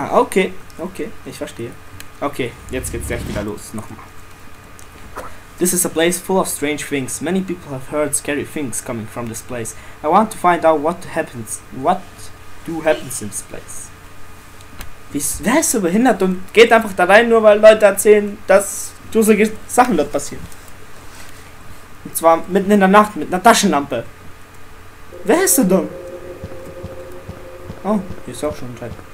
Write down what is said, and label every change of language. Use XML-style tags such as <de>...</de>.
<de>Okay. Ich verstehe. Okay, jetzt geht's gleich wieder los. Nochmal.</de> <en>This is a place full of strange things. Many people have heard scary things coming from this place. I want to find out what happens in this place.</en> <de>Wer ist so behindert und geht einfach da rein, nur weil Leute erzählen, dass gruselige Sachen dort passieren? Und zwar mitten in der Nacht mit einer Taschenlampe. Wer ist so dumm? Oh, hier ist auch schon ein Teil.</de>